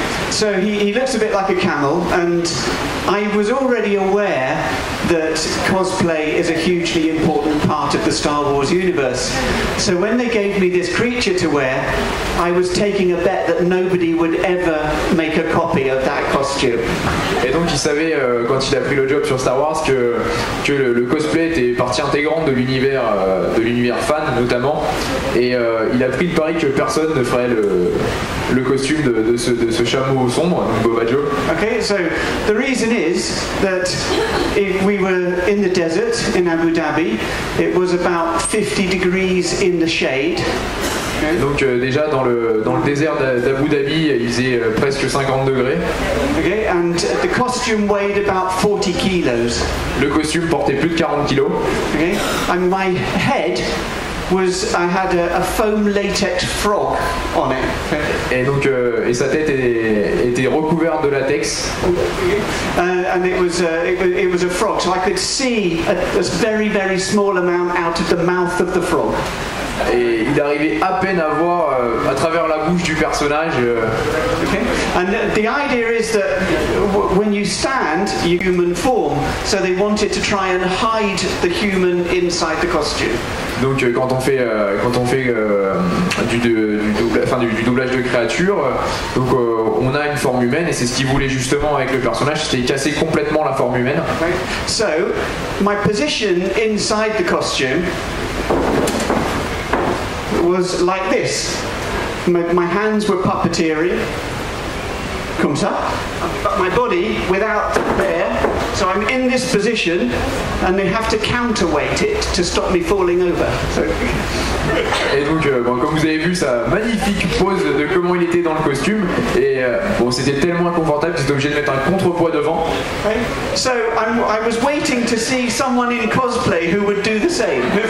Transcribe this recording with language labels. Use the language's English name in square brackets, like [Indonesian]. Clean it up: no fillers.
[English] So he looks a bit like a camel, and I was already aware that cosplay is a hugely important part of the Star Wars universe. So when they gave me this creature to wear, I was taking a bet that nobody would ever make a copy of that costume. [French] Et donc il savait quand il a pris le job sur Star Wars que le cosplay était partie intégrante de l'univers fan notamment, et il a pris le pari que personne ne ferait le costume de ce chameau sombre, Bobba Joe. [English] Okay, so the reason is that if we were in the desert in Abu Dhabi, it was about 50 degrees in the shade. Okay. [French] Donc déjà dans le désert d'Abu Dhabi, il faisait presque 50 degrés. [English] Okay, and the costume weighed about 40 kilos. [French] Le costume portait plus de 40 kilos. [English] Okay, and my head. Was I had a foam latex frog on it. [French] Et donc et sa tête était recouverte de latex. [English] And it was a frog, so I could see a very very small amount out of the mouth of the frog. [French] Et il arrivait à peine à voir à travers la bouche du personnage. [English] Okay. And the idea is that when you stand, you human form, so they wanted to try and hide the human inside the costume. [French] Donc quand on fait du doublage de créatures, donc on a une forme humaine, et c'est ce qu'ils voulaient justement avec le personnage, c'était casser complètement la forme humaine. [English] Okay. So my position inside the costume was like this. My hands were puppeteering. [French] comme ça. [English] But my body without there, so I'm in this position, and they have to counterweight it to stop me falling over. [French] Et donc, bon, comme vous avez vu, sa magnifique pose de comment il était dans le costume, et bon, c'était tellement inconfortable qu'il était obligé de mettre un contrepoids devant. [English] Okay. So I was waiting to see someone in cosplay who would do the same.